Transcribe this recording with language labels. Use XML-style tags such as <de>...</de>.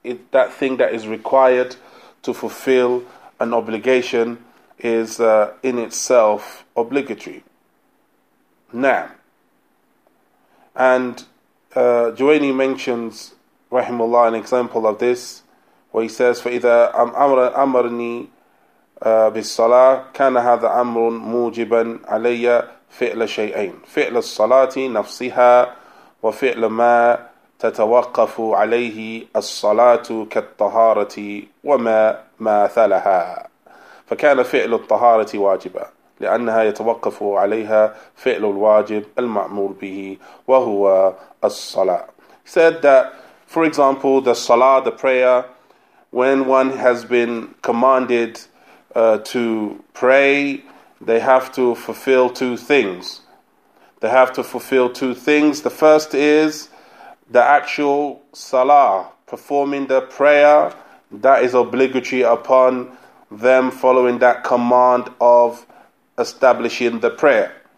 <en>That thing that is required to fulfill an obligation is in itself obligatory. Now, and Jawaini mentions, rahimullah, an example of this, where he says,</en> <ar>فَإِذَا أَمَرْنِي بِالصَّلَاةِ كَانَ هَذَا أَمْرٌ مُوجِبًا عَلَيَّ فِعْلَ شَيْئَيْنِ فِعْلَ الصَّلَاةِ نَفْسِهَا وَفِعْلَ مَا تَتَوَقَّفُ عَلَيْهِ الصَّلَاةُ كَالطَّهَارَةِ وَمَا مَاثَلَهَا فَكَانَ فِعْلُ الطَّهَارَةِ وَاجِبًا لِأَنَّهَا يَتَوَقَّفُ عَلَيْهَا فِعْلُ الْوَاجِبِ الْمَأْمُورُ بِهِ وَهُوَ الصَّلَاةُ.</ar> <en>He said that, for example, the salah, the prayer, when one has been commanded to pray, they have to fulfill two things. The first is the actual salah, performing the prayer, that is obligatory upon them following that command of establishing the prayer.</en>